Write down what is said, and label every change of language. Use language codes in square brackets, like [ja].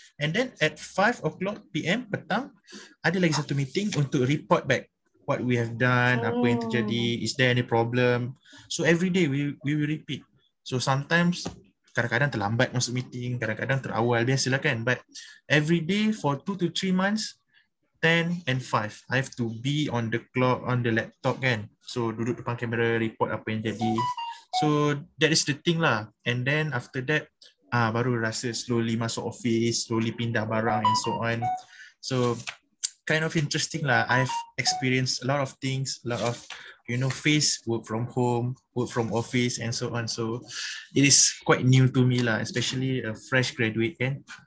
[en] And then at 5 o'clock PM [ms] petang, ada lagi satu [en] meeting [ms] untuk [en] report back what we have done, [ms] apa yang terjadi, [en] is there any problem. So every day we will repeat. So sometimes, [ms] kadang-kadang terlambat masuk meeting, kadang-kadang terawal, biasalah kan. [en] But every day for 2 to 3 months, 10 and 5, I have to be on the clock, on the laptop kan. [ms] So duduk depan kamera, report apa yang jadi. [en] So that is the thing lah. And then after that, [ms] baru rasa [en] slowly [ms] masuk [en] office, slowly [ms] pindah barang [en] and so on. So kind of interesting lah. I've experienced a lot of things, a lot of, you know, face work from home, work from office and so on. So it is quite new to me lah, especially a fresh graduate kan.